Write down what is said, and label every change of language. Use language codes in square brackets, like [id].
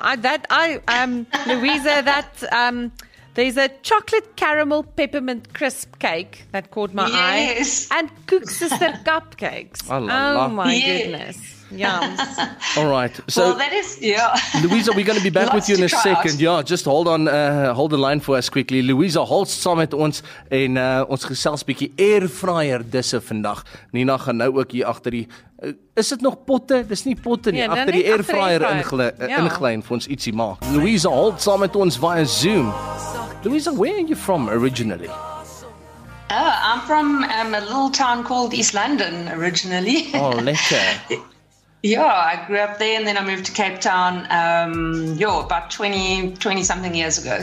[en] Oh, Louisa, that there's a chocolate caramel peppermint crisp cake that caught my eye, and Cook Sister cupcakes. Oh my goodness. Yum. All right. So, well, that is, yeah. Louisa, we're going to be back with you in a second. Out. Yeah, just hold on. Hold the line for us quickly. [af] Louisa, hold saam met ons en ons gesels bietjie air fryer disse vandag. Nina gaan nou ook hier agter die is dit nog potte? Dis nie potte nie. Agter die air fryer ingly vir ons ietsie maak. Louisa, hold saam met ons via Zoom. [en] Louisa, where are you from originally? Oh, I'm from a little town called East London originally. Oh, lekker. Yeah, I grew up there and then I moved to Cape Town about 20 something years ago.